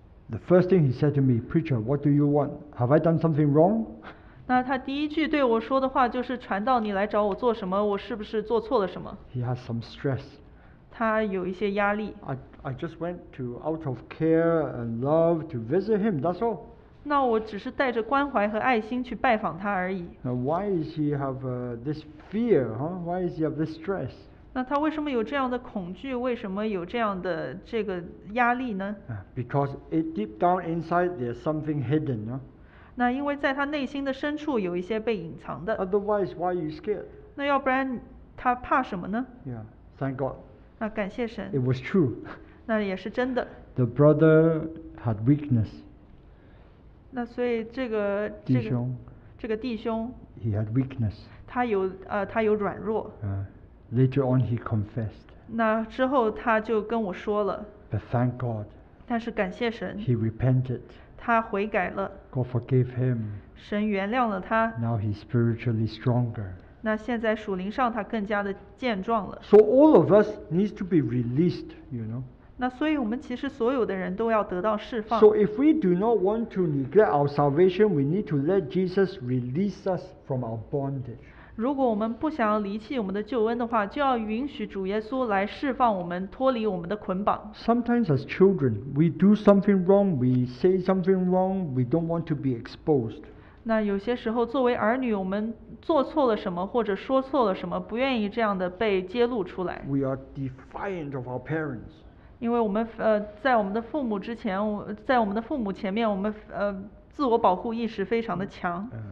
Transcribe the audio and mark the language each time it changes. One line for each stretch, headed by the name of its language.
English: The first thing he said to me, preacher, what do you want? Have I done something wrong?
Chinese: 那他第一句对我说的话就是，传道，你来找我做什么？我是不是做错了什么？
English: He has some stress.
Chinese: 他有一些压力。
English: I just went to out of care and love to visit him. That's all.
Chinese: 那我只是带着关怀和爱心去拜访他而已。
English: Why does he have this fear? Huh? Why does he have this stress?
Chinese: 那他为什么有这样的恐惧？为什么有这样的这个压力呢？
English: Because it deep down inside there's something hidden. Huh?
Chinese: 那因为在他内心的深处有一些被隐藏的。
English: Otherwise, why are you scared?
Chinese: 那要不然他怕什么呢？
English: Yeah, thank God.
Chinese: 那感谢神。
English: It was true.
Chinese: 那也是真的。
English: The brother had weakness.
Chinese: 那所以这个弟兄，这个弟兄
English: ，He had weakness.
Chinese: 他有软弱。
English: Later on, he confessed.
Chinese: 那之后他就跟我说了。
English: But thank God.
Chinese: 但是感谢神。
English: He repented.
Chinese: 他悔改了。
English: God forgave him.
Chinese: 神原谅了他。
English: Now he's spiritually stronger.
Chinese: 那现在属灵上他更加的健壮了。
English: So all of us needs to be released, you know.
Chinese: 那所以我们其实所有的人都要得到释放。
English: So if we do not want to neglect our salvation, we need to let Jesus release us from our bondage.
Chinese: 如果我们不想要离弃我们的救恩的话，就要允许主耶稣来释放我们，脱离我们的捆绑。
English: Sometimes as children, we do something wrong, we say something wrong, we don't want to be exposed.
Chinese: 那有些时候作为儿女，我们做错了什么或者说错了什么，不愿意这样的被揭露出来。
English: We are defiant of our parents.
Chinese: 因为我们在我们的父母之前，在我们的父母前面，我们自我保护意识非常的强。